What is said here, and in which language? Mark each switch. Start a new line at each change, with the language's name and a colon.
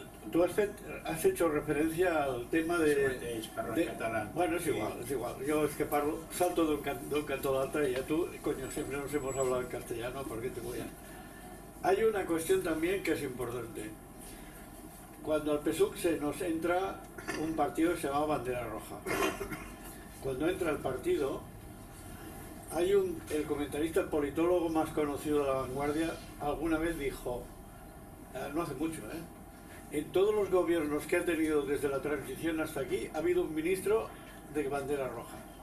Spanish: Tu has hecho referencia al tema de...
Catalan: Bueno, és igual. Jo és que parlo, salto d'un cantó a l'altre i a tu, coño, sempre
Spanish: nos hemos hablado en castellano,
Catalan: perquè
Spanish: te voy a... Hay una cuestión también que es importante. Cuando al PSUC se nos entra un partido que se llama Bandera Roja. Cuando entra el partido, hay el comentarista, el politólogo más conocido de La Vanguardia, alguna vez dijo, no hace mucho, en todos los gobiernos que ha tenido desde la transición hasta aquí, ha habido un ministro de Bandera Roja.